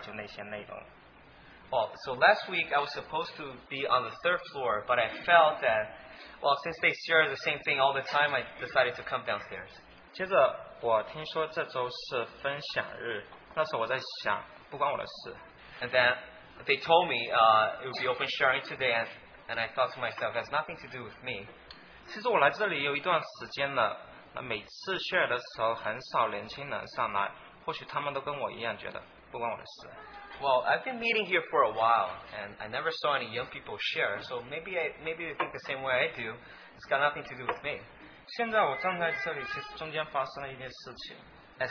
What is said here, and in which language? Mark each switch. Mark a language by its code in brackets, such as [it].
[en] So last week I was supposed to be on the third floor, but I felt that, well, since they share the same thing all the time, I decided to come downstairs. [zh] 接着我听说这周是分享日，那时候我在想，不关我的事。 [en] And then they told me it would be open sharing today, and I thought to myself, that's nothing to do with me. [zh] 其实我来这里有一段时间了，每次share的时候很少年轻人上来，或许他们都跟我一样觉得不关我的事。 [en] Well, I've been meeting here for a while, and I never saw any young people share, so maybe they think the same way I do. It's got nothing to do with me. [zh] 现在我站在这里，其实中间发生了一件事情。 [en] As